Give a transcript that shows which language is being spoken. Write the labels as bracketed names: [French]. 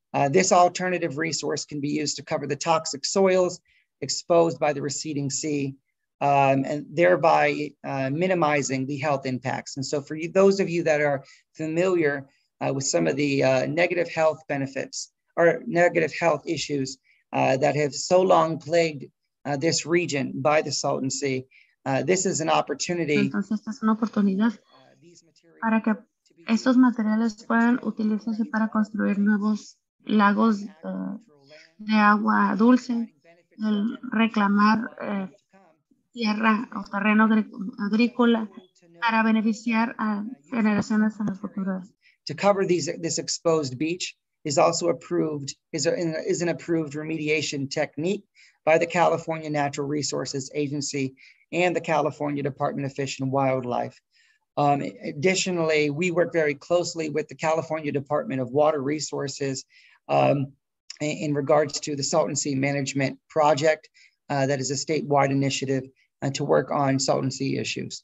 [English] This alternative resource can be used to cover the toxic soils exposed by the receding sea, and thereby minimizing the health impacts. And so for you, those of you that are familiar with some of the negative health benefits or negative health issues that have so long plagued this region by the Salton Sea, this is an opportunity. [Spanish] Entonces, esta es una oportunidad para que estos materiales puedan utilizarse para construir nuevos lagos de agua dulce, el reclamar tierra o terreno agrícola para beneficiar a generaciones en el futuro. [English] To cover this exposed beach is also approved, is an approved remediation technique by the California Natural Resources Agency and the California Department of Fish and Wildlife. Additionally, we work very closely with the California Department of Water Resources in regards to the Salton Sea Management Project, that is a statewide initiative to work on Salton Sea issues.